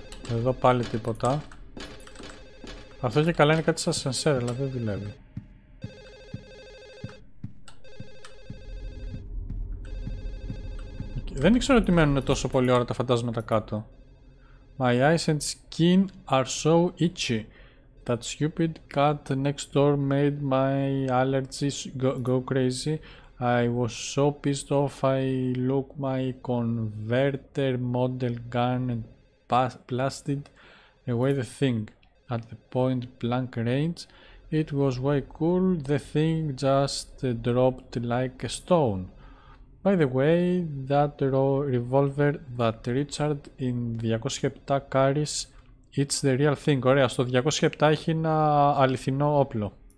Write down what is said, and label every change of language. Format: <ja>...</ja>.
<el>Εδώ πάλι τίποτα. Αυτό και καλά είναι κάτι σαν σανσέρ, αλλά δεν δουλεύει. Δεν ήξερα ότι μένουν τόσο πολύ ώρα τα φαντάσματα κάτω.</el> <en>My eyes and skin are so itchy. That stupid cat next door made my allergies go crazy. I was so pissed off, I look my converter model gun and blasted away the thing at the point blank range. It was way cool, the thing just dropped like a stone. By the way, that revolver that Richard in 207 carries, it's the real thing.</en> <el>Ωραία, στο 207 έχει ένα αληθινό όπλο.</el>